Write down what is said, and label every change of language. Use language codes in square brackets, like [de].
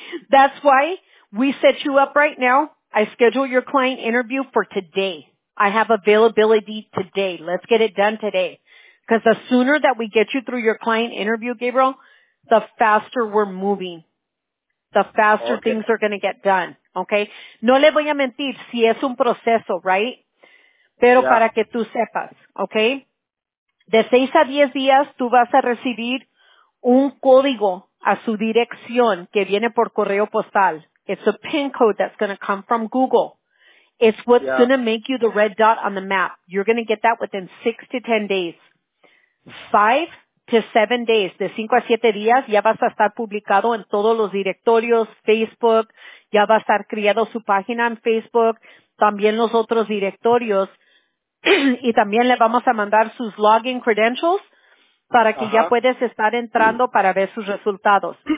[en] That's why we set you up right now. I schedule your client interview for today. I have availability today. Let's get it done today. Because the sooner that we get you through your client interview, Gabriel, the faster we're moving. the faster okay. things are going to get done. Okay. [es] No le voy a mentir si es un proceso, right? Pero yeah. para que tú sepas, okay? De 6 a 10 días tú vas a recibir un código a su dirección que viene por correo postal. [en] It's a pin code that's going to come from Google. It's what's yeah. going to make you the red dot on the map. You're going to get that within 6 to 10 days. 5 to 7 days, [es] de 5 a 7 días, ya vas a estar publicado en todos los directorios, Facebook, ya va a estar creado su página en Facebook, también los otros directorios, y también le vamos a mandar sus [en] login credentials [es] para que ya puedes estar entrando para ver sus resultados.